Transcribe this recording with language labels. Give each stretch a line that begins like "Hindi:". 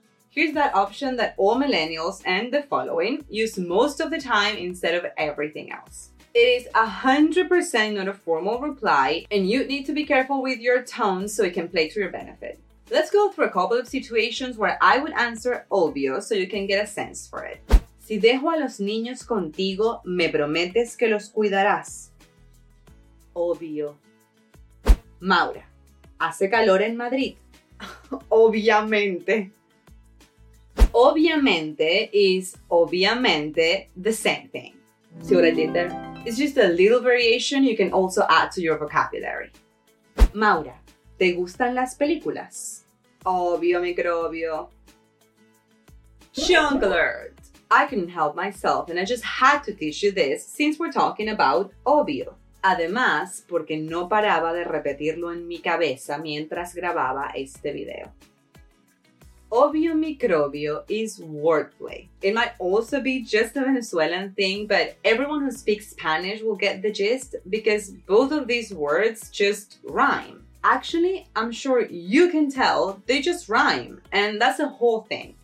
English: Here's that option that all millennials and the following use most of the time instead of everything else. It is 100% not a formal reply, and you need to be careful with your tone so it can play to your benefit. Let's go through a couple of situations where I would answer obvio so you can get a sense for it.
Spanish: Si dejo a los niños contigo, me prometes que los cuidarás. Obvio. Maura, hace calor en Madrid.
English: Obviamente. Obviamente is obviamente the same thing. See what I did there? It's just a little variation you can also add to your vocabulary.
Spanish: Maura, ¿te gustan las películas? Obvio, microbio.
English: Chunk alert! I couldn't help myself and I just had to teach you this since we're talking about obvio.
Spanish: Además, porque no paraba de repetirlo en mi cabeza mientras grababa este video.
English: Obvio microbio is wordplay. It might also be just a Venezuelan thing, but everyone who speaks Spanish will get the gist because both of these words just rhyme. Actually, I'm sure you can tell, they just rhyme, and that's the whole thing.